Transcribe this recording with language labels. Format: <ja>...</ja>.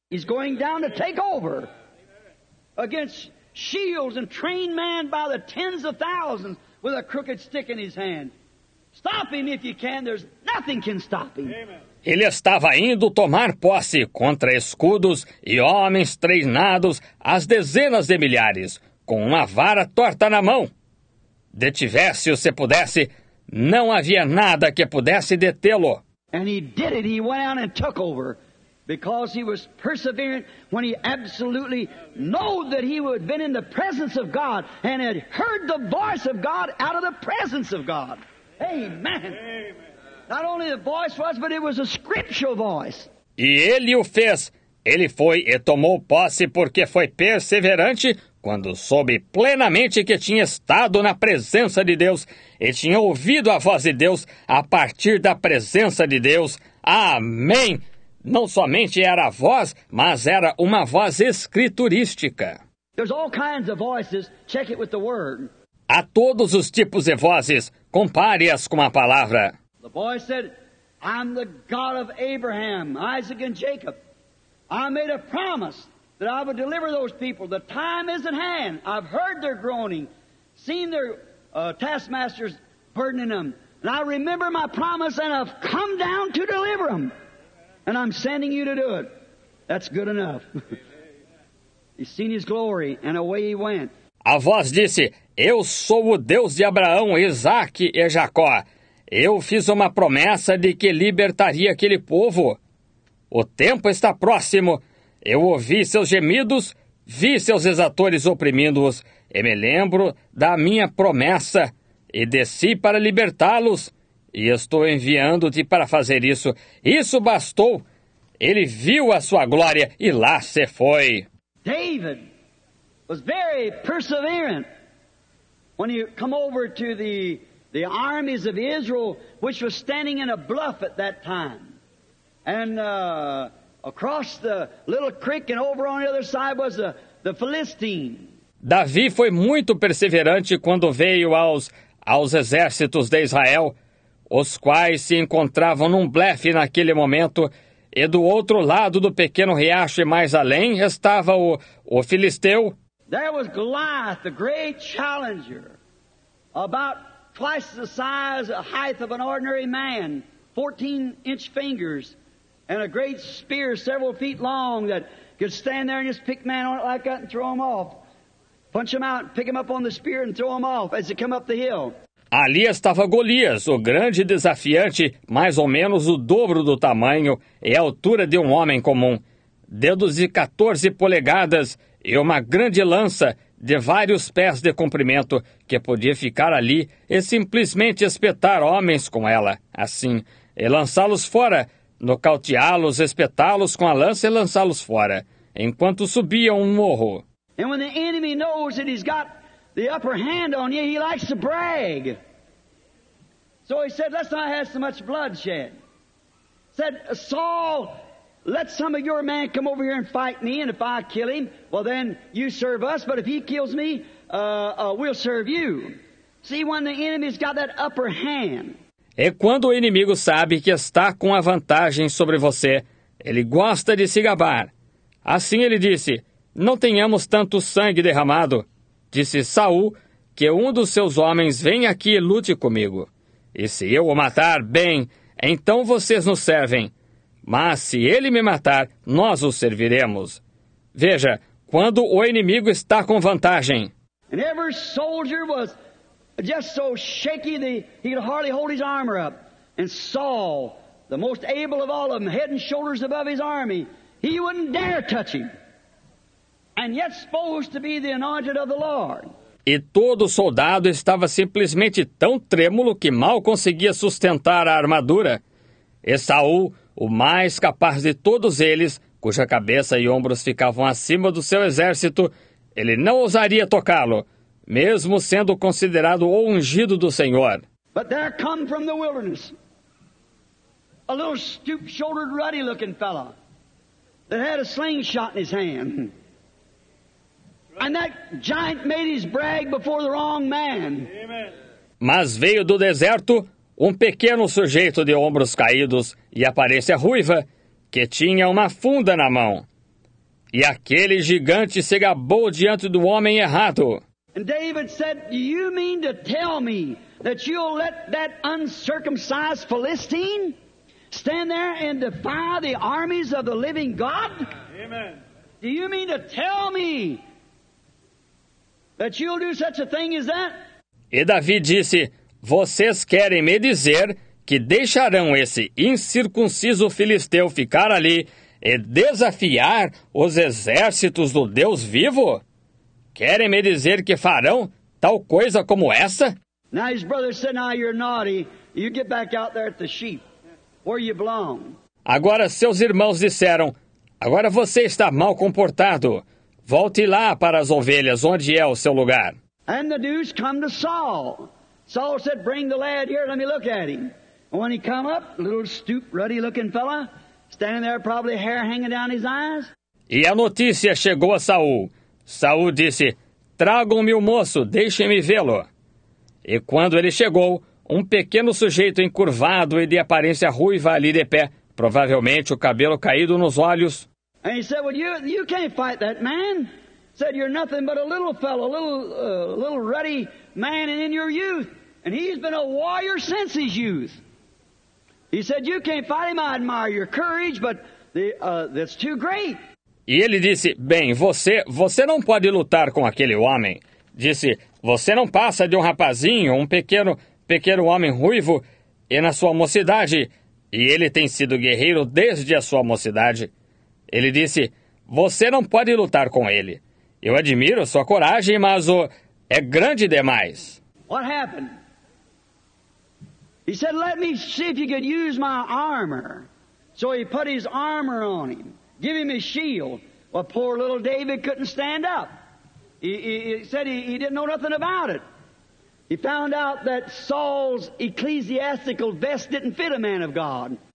<en>He's going down to take over against shields and trained men by the tens of thousands. With a crooked stick in his hand. Stop him if you can. There's nothing can stop him.</en> <pt>Ele estava indo tomar posse contra escudos e homens treinados às dezenas de milhares, com uma vara torta na mão. Detivesse-o se pudesse, não havia nada que pudesse detê-lo.</pt> <en>And he did it. He went out and took over. Because he was perseverant when he absolutely knew that he had been in the presence of God and had heard the voice of God out of the presence of God. Amen. Not only the voice was, but it was a scriptural voice.</en> <pt>E ele o fez. Ele foi e tomou posse porque foi perseverante quando soube plenamente que tinha estado na presença de Deus e tinha ouvido a voz de Deus a partir da presença de Deus. Amém. Não somente era a voz, mas era uma voz escriturística.</pt> <en>There's all kinds of voices. Check it with the word.</en> <pt>Há todos os tipos de vozes. Compare-as com a palavra.</pt> <en>The boy said, I'm the God of Abraham, Isaac and Jacob. I made a promise that I would deliver those people. The time is at hand. I've heard their groaning, seen their taskmasters burdening them. And I remember my promise and I've come down to deliver them. And I'm sending you to do it. That's good enough. He's seen his glory, and away he went.</en> <pt>A voz disse, eu sou o Deus de Abraão, Isaac e Jacó. Eu fiz uma promessa de que libertaria aquele povo. O tempo está próximo. Eu ouvi seus gemidos, vi seus exatores oprimindo-os, e me lembro da minha promessa. e desci para libertá-los, e estou enviando-te para fazer isso. Isso bastou. Ele viu a sua glória e lá se foi.</pt> <en>David was very perseverant when he come over to the armies of Israel, which was standing in a bluff at that time. And across the little creek and over on the other side was the Philistine.</en> <pt>Davi foi muito perseverante quando veio aos exércitos de Israel, os quais se encontravam num blefe naquele momento, e do outro lado do pequeno riacho e mais além estava o filisteu.</pt> <en>There was Goliath, the great challenger, about twice the size and height of an ordinary man, 14-inch fingers, and a great spear several feet long that could stand there and just pick man on it like that and throw him off. Punch him out, pick him up on the spear and throw him off as he come up the hill.</en> <pt>Ali estava Golias, o grande desafiante, mais ou menos o dobro do tamanho e a altura de um homem comum. Dedos de 14 polegadas e uma grande lança de vários pés de comprimento que podia ficar ali e simplesmente espetar homens com ela, assim, e lançá-los fora, nocauteá-los, espetá-los com a lança e lançá-los fora, enquanto subia um morro.</pt> <en>And when the enemy knows that he's got the upper hand on you, he likes to brag. So he said, let's not have so much bloodshed. Said, Saul, let some of your men come over here and fight me, and if I kill him, well then you serve us, but if he kills me, we'll serve you. See, when the enemy's got that upper hand.</en> <pt>É quando o inimigo sabe que está com a vantagem sobre você, ele gosta de se gabar. Assim ele disse, não tenhamos tanto sangue derramado. Disse Saul que um dos seus homens venha aqui e lute comigo. E se eu o matar, bem, então vocês nos servem. Mas se ele me matar, nós o serviremos. Veja, quando o inimigo está com vantagem.</pt> <en>And every soldier was just so shaky that he could hardly hold his armor up. And Saul, the most able of all of them, head and shoulders above his army, he wouldn't dare touch him. And yet supposed to be the anointed of the Lord.</en> <pt>E todo soldado estava simplesmente tão trêmulo que mal conseguia sustentar a armadura. E Saul, o mais capaz de todos eles, cuja cabeça e ombros ficavam acima do seu exército, ele não ousaria tocá-lo, mesmo sendo considerado o ungido do Senhor.</pt> <en>But there come from the wilderness a little stoop-shouldered, ruddy-looking fellow that had a slingshot in his hand. And that giant made his brag before the wrong man. Amen.</en> <pt>Mas veio do deserto um pequeno sujeito de ombros caídos e aparência ruiva, que tinha uma funda na mão. E aquele gigante se gabou diante do homem errado.</pt> <en>And David said, do you mean to tell me that you'll let that uncircumcised Philistine stand there and defy the armies of the living God? Amen. Do you mean to tell me that you'll do such a thing as that?</en> <pt>E Davi disse, vocês querem me dizer que deixarão esse incircunciso filisteu ficar ali e desafiar os exércitos do Deus vivo? Querem me dizer que farão tal coisa como essa?</pt> <en>Now his brother said, now you're naughty. You get back out there at the sheep where you belong.</en> <pt>Agora seus irmãos disseram, agora você está mal comportado. Volte lá para as ovelhas, onde é o seu lugar.</pt> <en>And the news come to Saul. Saul said, bring the lad here, let me look at him. And when he come up, a little stoop, ruddy looking fella, standing there probably hair hanging down his eyes.</en> <pt>E a notícia chegou a Saul. Saul disse, tragam-me o moço, deixem-me vê-lo. E quando ele chegou, um pequeno sujeito encurvado e de aparência ruiva ali de pé, provavelmente o cabelo caído nos olhos.</pt> <en>And he said, well, you can't fight that man. Said, you're nothing but a little fellow, a little ruddy man in your youth. And he's been a warrior since his youth. He said, you can't fight him. I admire your courage, but that's too great.</en> <pt>E ele disse, bem, você não pode lutar com aquele homem. Disse, você não passa de um rapazinho, um pequeno homem ruivo, e na sua mocidade. E ele tem sido guerreiro desde a sua mocidade. Ele disse, você não pode lutar com ele. Eu admiro sua coragem, mas é grande demais.</pt> <en>What happened? He said, let me see if you could use my armor. So he put his armor on him, give him his shield. Well, poor little David couldn't stand up. He said he didn't know nothing about it. He found out that Saul's ecclesiastical vest didn't fit a man of God.</en>